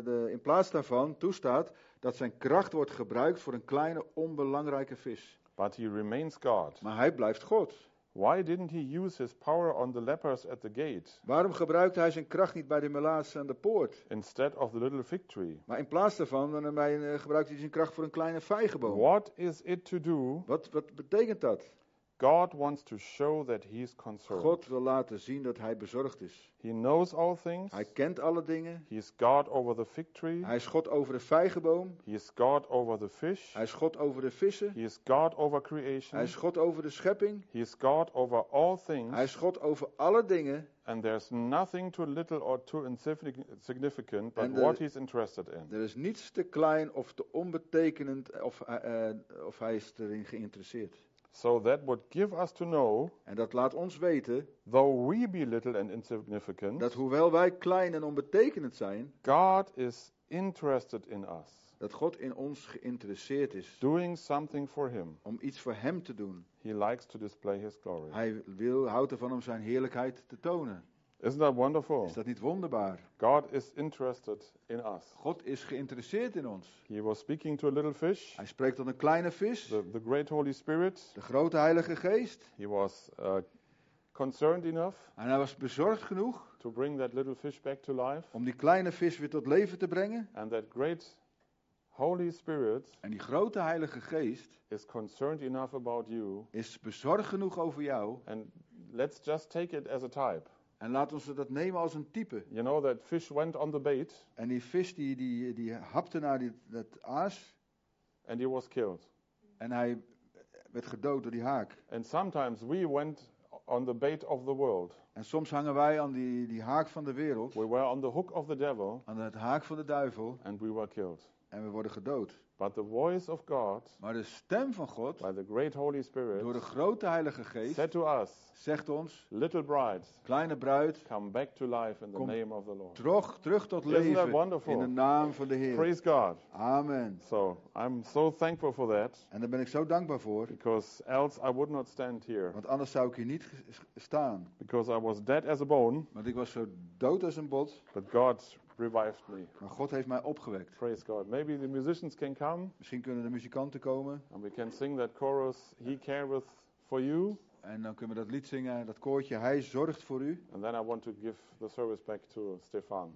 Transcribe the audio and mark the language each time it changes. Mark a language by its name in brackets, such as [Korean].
[Dutch] In plaats daarvan toestaat dat zijn kracht wordt gebruikt voor een kleine onbelangrijke vis. [English] But he remains God. [Dutch] Maar hij blijft God. [English] Why didn't he use his power on the lepers at the gate? [Dutch] Waarom gebruikte hij zijn kracht niet bij de melaatsen aan de poort? [English] Instead of the little fig tree. [Dutch] Maar in plaats daarvan gebruikte hij zijn kracht voor een kleine vijgenboom. [English] What is it to do? [Dutch] Wat betekent dat? [English] God wants to show that he is concerned. [Dutch] God wil laten zien dat hij bezorgd is. [English] He knows all things. [Dutch] Hij kent alle dingen. [English] He is God over the fig tree. [Dutch] Hij is God over de vijgenboom. [English] He is God over the fish. [Dutch] Hij is God over de vissen. [English] He is God over creation. [Dutch] Hij is God over de schepping. [English] He is God over all things. [Dutch] Hij is God over alle dingen. [English] And there's nothing too little or too insignificant but what he's interested in. [Dutch] Er is niets te klein of te onbetekenend of hij is erin geïnteresseerd. [English] So that would give us to know, [Dutch] en dat laat ons weten, [English] though we be little and insignificant, [Dutch] dat hoewel wij klein en onbetekenend zijn, [English] God is interested in us, [Dutch] dat God in ons geïnteresseerd is, [English] doing something for him, [Dutch] om iets voor hem te doen. [English] He likes to display his glory. [Dutch] Hij houdt ervan om zijn heerlijkheid te tonen. [English] Isn't that wonderful? [Dutch] Is dat niet wonderbaar? [English] God is interested in us. [Dutch] God is geïnteresseerd in ons. [English] He was speaking to a little fish. [Dutch] Hij spreekt tot een kleine vis. [English] The great Holy Spirit. [Dutch] De grote Heilige Geest. [English] He was concerned enough. [Dutch] En hij was bezorgd genoeg. [English] To bring that little fish back to life. [Dutch] Om die kleine vis weer tot leven te brengen. [English] And that great Holy Spirit. [Dutch] En die grote Heilige Geest. [English] Is concerned enough about you. [Dutch] Is bezorgd genoeg over jou. [English] And let's just take it as a type. [Dutch] En laten we dat nemen als een type. [English] You know that fish went on the bait. [Dutch] En die vis die hapte naar dat aas. [English] And he was killed. [Dutch] En hij werd gedood door die haak. [English] And sometimes we went on the bait of the world. [Dutch] En soms hangen wij aan die haak van de wereld. [English] We were on the hook of the devil. [Dutch] Aan het haak van de duivel. [English] And we were killed. [Dutch] En we worden gedood. [English] But the voice of God, [Dutch] maar de stem van God, [English] by the great Holy Spirit, [Dutch] door de grote Heilige Geest, [English] said to us, [Dutch] zegt ons, [English] little bride, [Dutch] kleine bruid, [English] come back to life in the name of the Lord. [Dutch] Terug tot leven in de naam van de Heer. [English] Praise God. [Dutch] Amen. [English] So I'm so thankful for that. [Dutch] En daar ben ik zo dankbaar voor. [English] Because else I would not stand here. [Dutch] Want anders zou ik hier niet staan. [English] Because I was dead as a bone. [Dutch] Want ik was zo dood als een bot. [English] But God revived me. [Dutch] Maar God heeft mij opgewekt. [English] Praise God. Maybe the musicians can come. [Dutch] Misschien kunnen de muzikanten komen. [English] And we can sing that chorus, He careth for you. [Dutch] En dan kunnen we dat lied zingen, dat koortje, Hij zorgt voor u. [English] And then I want to give the service back to Stefan.